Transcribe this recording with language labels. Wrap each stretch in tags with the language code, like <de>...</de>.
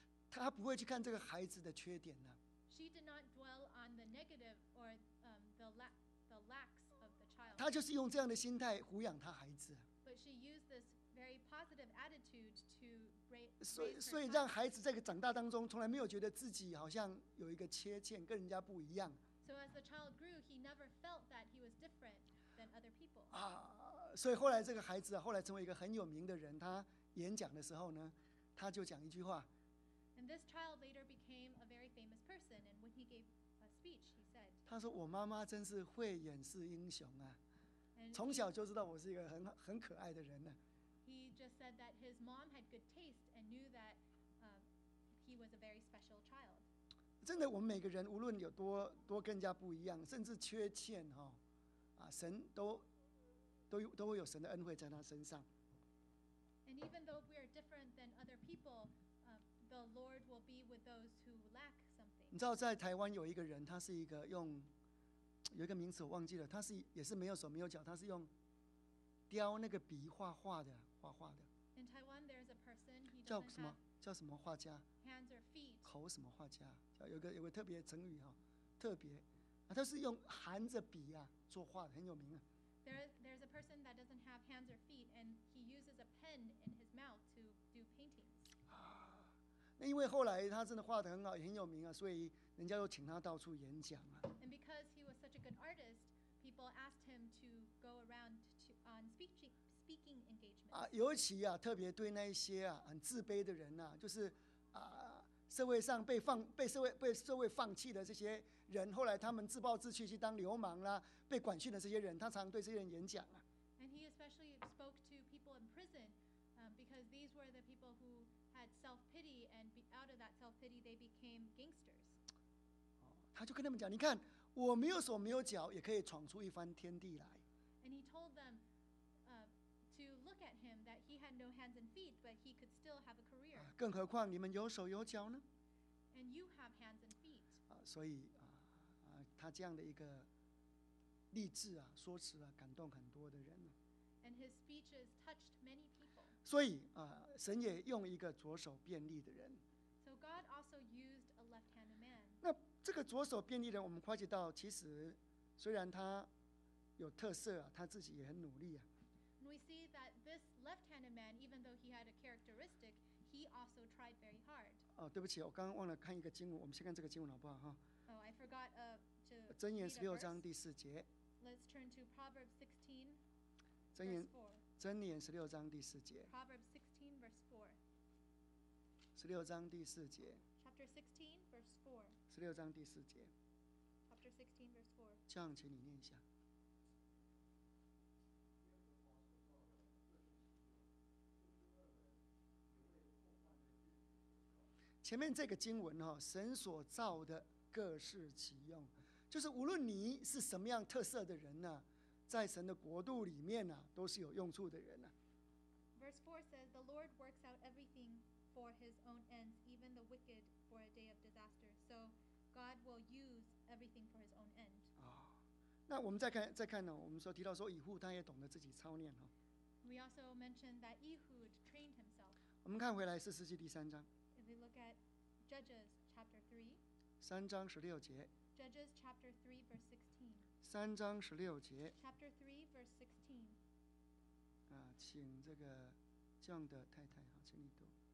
<zh>她不会去看这个孩子的缺点呢。</zh> <en>She did not dwell on the negative or the lacks of the child.</en> <zh>她就是用这样的心态抚养她孩子。</zh> <en>But she used this very positive attitude to raise.</en> <zh>所以让孩子在长大当中，从来没有觉得自己好像有一个缺陷，跟人家不一样。</zh> <en>So as the child grew, he never felt that he was different. Than other people.</en> <zh>啊，所以后来这个孩子啊，后来成为一个很有名的人。他演讲的时候呢，他就讲一句话。</zh> <en>And this child later became a very famous person. And when he gave a speech, he said.</en> <zh>他说：“我妈妈真是慧眼识英雄啊，从小就知道我是一个很可爱的人呢。”</zh> <en>He just said that his mom had good taste and knew that he was a very special child.</en> <zh>真的，我们每个人无论有多更加不一样，甚至缺陷哈。啊，神都会有神的恩惠在他身上。</zh> <en>And even though we are different than other people, the Lord will be with those who lack something.</en> <zh>你知道，在台湾有一个人，他是一个用有一个名词我忘记了，他是也是没有手没有脚，他是用雕那个笔画画的。</zh> <en>In Taiwan, there is a person.</en> <zh>叫什么画家</zh> <en>？Hands or feet.</en> <zh>口什么画家？有个特别成语哈，特别。啊、他是用含着笔啊作画的，很有名啊。</zh> <en>There's a person that doesn't have hands or feet, and he uses a pen in his mouth to do paintings.</en> <zh>啊，那因为后来他真的画得很好，也很有名啊，所以人家又请他到处演讲啊。</zh> <en>And because he was such a good artist, people asked him to go around on speaking engagements.</en> <zh>啊，尤其啊，特别对那一些啊很自卑的人啊，就是啊。社会上被社会放弃的这些人，后来他们自暴自弃去当流氓啦，被管训的这些人，他常对这些人演讲啊。</zh> <en>And he especially spoke to people in prison, because these were the people who had self-pity, and out of that self-pity, they became gangsters.</en> <zh>他就跟他们讲，你看，我没有手没有脚，也可以闯出一番天地来。</zh> <en>And he told them, to look at him that he had no hands and feet, but he could still have a career.</en> <zh>更何况你们有手有脚呢？</zh> <en>And you have hands and feet.</en> <zh>所以他这样的一个励志啊，说辞啊，感动很多的人呢。</zh> <en>And his speeches touched many people.</en> <zh>所以神也用一个左手便利的人。</zh> <en>So God also used a left-handed man.</en> <zh>那这个左手便利的人，我们发觉到，其实虽然他有特色啊，他自己也很努力啊。</zh> <en>We see that this left-handed man, even though he had a characteristic, he also tried very hard.</en> <zh>哦，对不起，我刚刚忘了看一个经文。我们先看这个经文好不好？哈。</zh> <en>Oh, I forgot to.</en> <zh>箴言十六章第四节。</zh> <en>Let's turn to Proverbs 16.</en> <zh>箴言十六章第四节。</zh> <en>Proverbs 16 verse 4.</en> <zh>十六章第四节。</zh> <en>Chapter 16 verse 4.</en> <zh>十六章第四节。</zh> <en>Chapter 16 verse 4.</en> <zh>这样，请你念一下。前面这个经文，神所造的各事其用，就是无论你是什么样特色的人呢，在神的国度里面呢，都是有用处的人呢。</zh> <en>Verse 4 says, the Lord works out everything for his own ends, even the wicked for a day of disaster. So God will use everything for his own end.</en> <zh>那我们再看呢，我们说提到说以户他也懂得自己操练。</zh> <en>We also mentioned that Ehud trained himself.</en> <zh>我们看回来四世纪第三章。</zh> <en>If we look at Judges chapter 3.</en> <zh>三章十六节。</zh> <en>Judges chapter 3 verse 16.</en> <zh>三章十六节。</zh> <en>Chapter 3 verse 16.</en> <zh>啊，请这个将的太太啊，请你读。</zh>